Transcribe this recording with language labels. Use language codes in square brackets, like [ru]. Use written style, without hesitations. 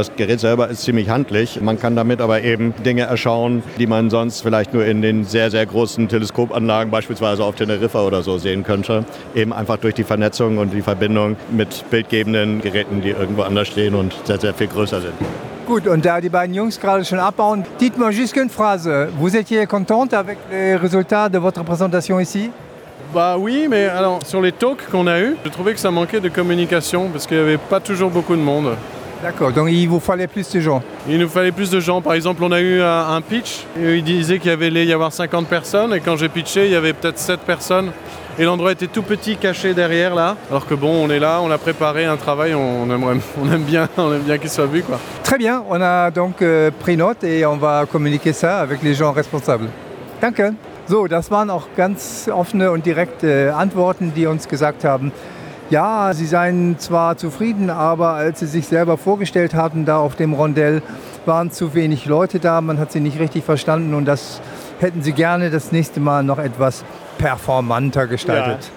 [de] Das Gerät selber ist ziemlich handlich. Man kann damit aber eben Dinge erschauen, die man sonst vielleicht nur in den sehr, sehr großen Teleskopanlagen, beispielsweise auf Teneriffa oder so, sehen könnte. Eben einfach durch die Vernetzung und die Verbindung mit bildgebenden Geräten, die irgendwo anders stehen und sehr, sehr viel größer sind. Gut, und da die beiden Jungs gerade schon abbauen, [fr] dites-moi juste une phrase. Vous étiez content avec les résultats de votre présentation ici? Bah oui, mais alors sur les talks qu'on a eus, j'ai trouvé que ça manquait de communication parce qu'il n'y avait pas toujours beaucoup de monde. D'accord, donc il vous fallait plus de gens. Il nous fallait plus de gens. Par exemple, on a eu un pitch, il disait qu'il allait y avoir 50 personnes et quand j'ai pitché, il y avait peut-être 7 personnes. Et l'endroit était tout petit, caché derrière là. Alors que bon, on est là, on a préparé un travail, on aime bien qu'il soit vu quoi. Très bien, on a donc pris note et on va communiquer ça avec les gens responsables. [de] Danke. So, das waren auch ganz offene und direkte Antworten, die uns gesagt haben, ja, sie seien zwar zufrieden, aber als sie sich selber vorgestellt hatten, da auf dem Rondell, waren zu wenig Leute da, man hat sie nicht richtig verstanden und das hätten sie gerne das nächste Mal noch etwas performanter gestaltet.